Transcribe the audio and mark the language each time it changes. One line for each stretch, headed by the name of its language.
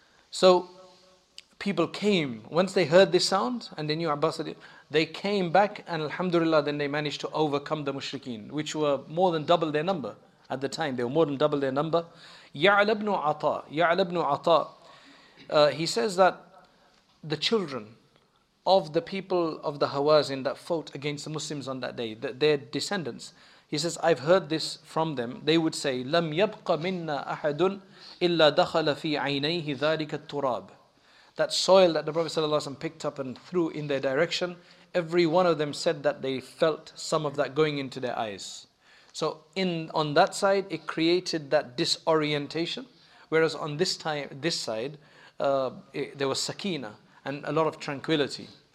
English: So people came. Once they heard this sound, and they knew Abbas, they came back, and alhamdulillah, then they managed to overcome the mushrikeen, which were more than double their number at the time. They were more than double their number. Ya'la ibn Ata, he says that the children of the people of the Hawazin that fought against the Muslims on that day, their descendants, he says, I've heard this from them. They would say,
Arabic: لَمْ يَبْقَ مِنَّا أَحَدٌ إِلَّا دَخَلَ فِي عَيْنَيْهِ ذَلِكَ التُّرَابِ.
English: That soil that the Prophet ﷺ picked up and threw in their direction, every one of them said that they felt some of that going into their eyes. So on that side, it created that disorientation. Whereas on this side, there was sakina and a lot of tranquility.